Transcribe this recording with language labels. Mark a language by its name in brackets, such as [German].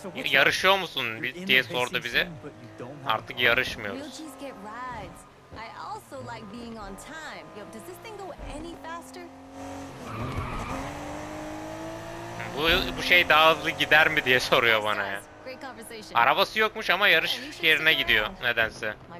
[Turkish] Yarışıyor musun diye sordu bize. Artık yarışmıyoruz. [English] I also like being on time. Yo, does this thing go any faster? [Turkish] Bu şey daha hızlı gider mi diye soruyor bana ya. Arabası yokmuş ama yarış yerine gidiyor nedense.